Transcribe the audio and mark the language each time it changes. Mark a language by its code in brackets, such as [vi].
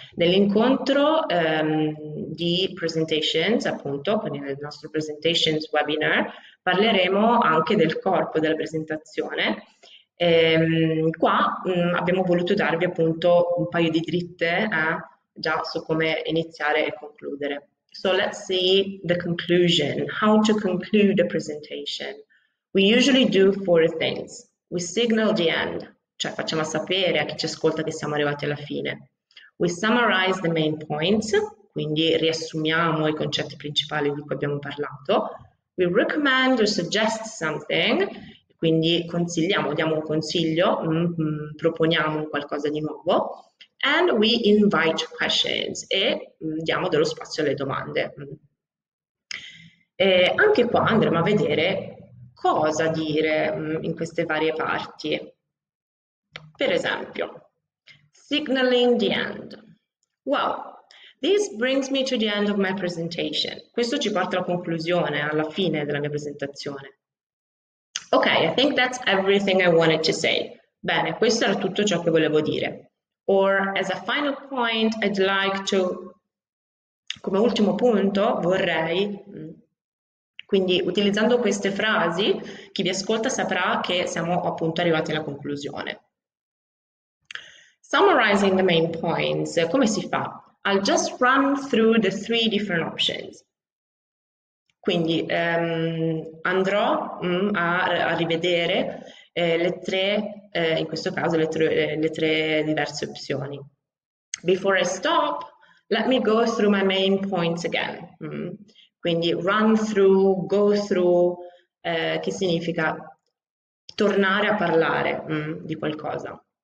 [it] Nell'incontro di Presentations, appunto, quindi nel nostro Presentations Webinar, parleremo anche del corpo della presentazione. Qua abbiamo voluto darvi appunto un paio di dritte già su come iniziare e concludere. [en] So let's see the conclusion, how to conclude a presentation. We usually do four things. We signal the end. [it] Cioè facciamo sapere a chi ci ascolta che siamo arrivati alla fine. [en] We summarize the main points, [it] quindi riassumiamo i concetti principali di cui abbiamo parlato. [en] We recommend or suggest something, [it] quindi consigliamo, diamo un consiglio, proponiamo qualcosa di nuovo. [en] And we invite questions [it] e diamo dello spazio alle domande. E anche qua andremo a vedere cosa dire, in queste varie parti. Per esempio, [en] signaling the end. Well, this brings me to the end of my presentation. [it] Questo ci porta alla conclusione, alla fine della mia presentazione. [en] Ok, I think that's everything I wanted to say. [it] Bene, questo era tutto ciò che volevo dire. [en] Or, as a final point, I'd like to... [it] Come ultimo punto, vorrei... Quindi utilizzando queste frasi, chi vi ascolta saprà che siamo appunto arrivati alla conclusione. [en] Summarizing the main points, [it] come si fa? [en] I'll just run through the three different options. [it] Quindi andrò a rivedere le tre, in questo caso, le tre diverse opzioni. [en] Before I stop, let me go through my main points again. [it] Quindi run through, go through, che significa tornare a parlare di qualcosa.